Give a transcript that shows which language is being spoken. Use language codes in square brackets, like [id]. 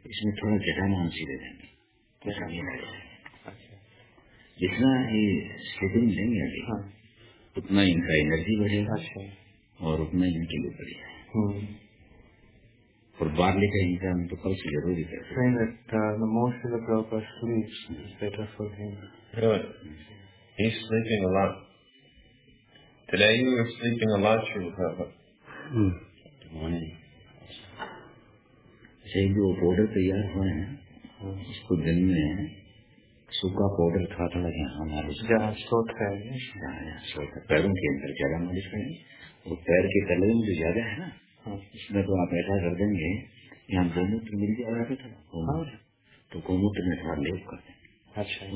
[hi] इसमें थोड़ा जटा मांसी दे देंगे जितना ये स्लीपिंग लेंगे अभी हाँ। उतना इनका एनर्जी बढ़ेगा अच्छा। और उतना इनके लिए बढ़िया और बार लेकर इनका तो कल से जरूरी [en] Good. He's sleeping a lot. Today you were sleeping a lot, Srila Prabhupada. Good morning. Say, you have ordered the yard, right? It's good, isn't it? [hi] सूखा पाउडर था थोड़ा यहाँ हमारे पैरों के अंदर ज्यादा मालिश करेंगे और पैर के तले में जो ज्यादा है ना उसमें तो आप ऐसा कर देंगे यहाँ दोनों तो मिल जाएगा तो गोमूत्र में थोड़ा लेप कर देंगे। अच्छा